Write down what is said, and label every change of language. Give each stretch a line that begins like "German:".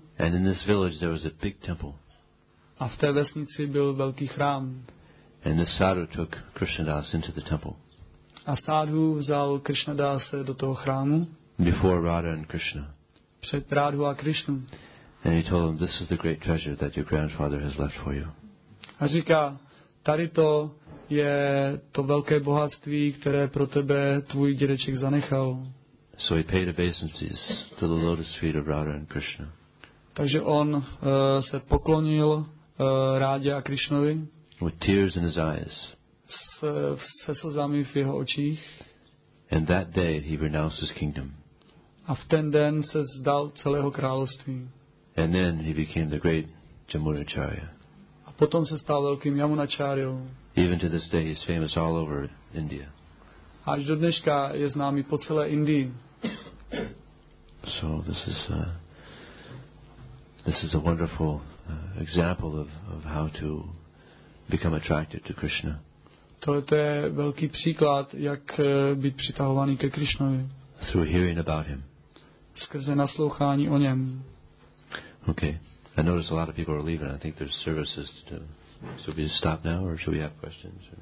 English: And in this village there was a big temple.
Czech: A v té vesnici byl velký chrám.
English: And the sadhu took Krishnadas into the temple.
Czech: A sádhu vzal Krishnadase do toho chrámu.
English: Before Radha and Krishna.
Czech: Před Radhu a Krishnu.
English: And he told him, this is the great treasure that your grandfather has left for you.
Czech: A říká, tady to je to velké bohatství, které pro tebe tvůj dědeček zanechal.
English: So he paid obeisances to the lotus feet of Radha and Krishna.
Czech: Takže on se poklonil Rádě a Krishnovi.
English: With tears in his eyes.
Czech: Se slzami v jeho očích.
English: And that day he renounced his kingdom.
Czech: A v ten den se vzdal celého království.
English: And then he became the great Jamunacharya.
Czech: A potom se stal velkým Jamunacharyou.
English: Even to this day, he's famous all over India.
Czech: Až do dneška je známý po celé Indii.
English: So this is a wonderful example of how to become attracted to Krishna.
Czech: To je velký příklad, jak být přitahovaný ke Krishnovi.
English: Through hearing about him.
Czech: Skrze naslouchání o něm.
English: Okay. I notice a lot of people are leaving. I think there's services to do. Should we just stop now or should we have questions?